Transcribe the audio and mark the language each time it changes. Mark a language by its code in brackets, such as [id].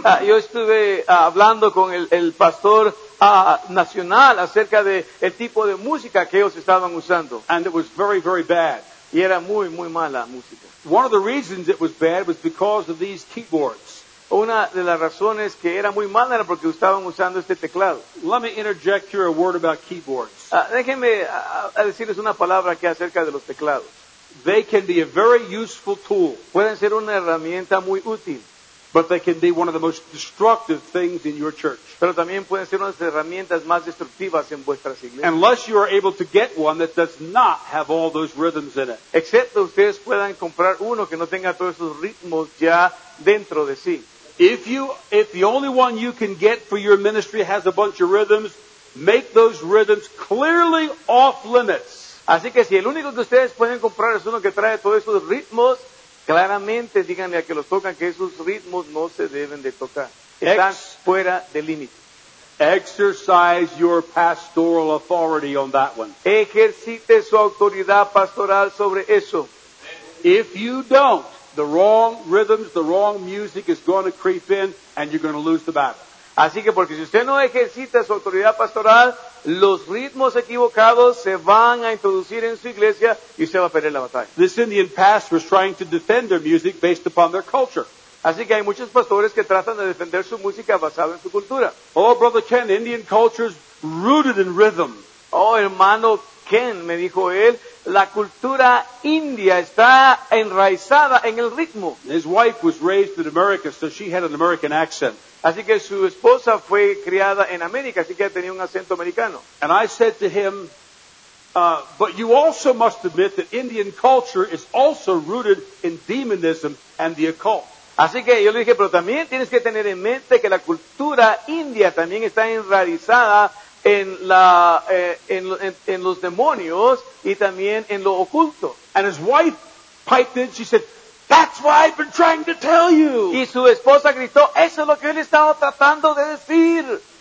[es] Yo estuve hablando con el pastor nacional acerca de el tipo de música que ellos estaban usando. [en] And it was very, very bad. [es] Y era muy, muy mala música. [en] One of the reasons it was bad was because of these keyboards. [es] Una de las razones que era muy mala era porque estaban usando este teclado. [en] Let me interject here a word about keyboards. [es] Déjenme decirles una palabra aquí acerca de los teclados. [en] They can be a very useful tool. [es] Pueden ser una herramienta muy útil. [en] But they can be one of the most destructive things in your church. [es] Pero también pueden ser unas herramientas más destructivas en vuestras iglesias. [en] Unless you are able to get one that does not have all those rhythms in it. [es] Excepto ustedes puedan comprar uno que no tenga todos esos ritmos ya dentro de sí. [en] If the only one you can get for your ministry has a bunch of rhythms, make those rhythms clearly off limits. [es] Así que si el único que ustedes pueden comprar es uno que trae todos esos ritmos, claramente díganle a que los tocan que esos ritmos no se deben de tocar. Están fuera de límite. [en] Exercise your pastoral authority on that one. [es] Ejercite su autoridad pastoral sobre eso. [en] If you don't, the wrong rhythms, the wrong music is going to creep in and you're going to lose the battle. [es] Así que porque si usted no ejercita su autoridad pastoral, los ritmos equivocados se van a introducir en su iglesia y usted va a perder la batalla. [en] This Indian pastor was trying to defend their music based upon their culture. [es] Así que hay muchos pastores que tratan de defender su música basada en su cultura. [en] Oh, Brother Ken, Indian culture is rooted in rhythm. [es] Oh, hermano Ken, me dijo él, la cultura india está enraizada en el ritmo. [en] His wife was raised in America, so she had an American accent. [es] Así que su esposa fue criada en América, así que tenía un acento americano. [en] And I said to him, but you also must admit that Indian culture is also rooted in demonism and the occult. [es] Así que yo le dije, pero también tienes que tener en mente que la cultura india también está enraizada en la en los demonios y también en lo oculto. [en] And his wife piped in, she said, "That's why I've been trying to tell you." [es] Y su esposa gritó, "Eso es lo que él estaba tratando de decir."